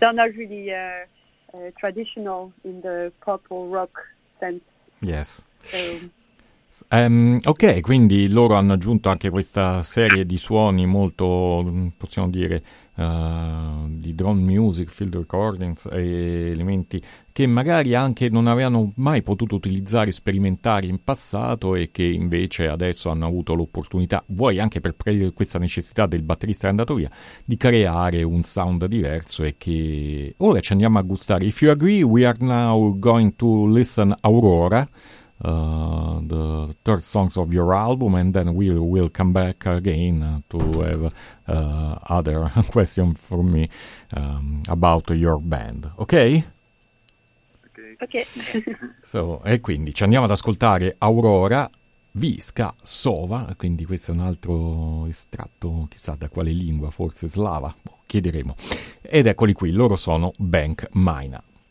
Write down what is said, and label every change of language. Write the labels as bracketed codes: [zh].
[en] They're not really traditional in the pop or rock sense. Yes. [it] Ok, quindi loro hanno aggiunto anche questa serie di suoni molto, possiamo dire, di drone music, field recordings e elementi che magari anche non avevano mai potuto utilizzare, sperimentare in passato e che invece adesso hanno avuto l'opportunità, vuoi anche per prendere questa necessità del batterista che è andato via, di creare un sound diverso e che ora ci andiamo a gustare. [en] If you agree, we are now going to listen Aurora, the third songs of your album, and then we will come back again to have other question for me about your band. Okay. [it] So, e quindi ci andiamo ad ascoltare Aurora Viska Sova, quindi questo è un altro estratto, chissà da quale lingua, forse slava, chiederemo, ed eccoli qui, loro sono Bank Mina.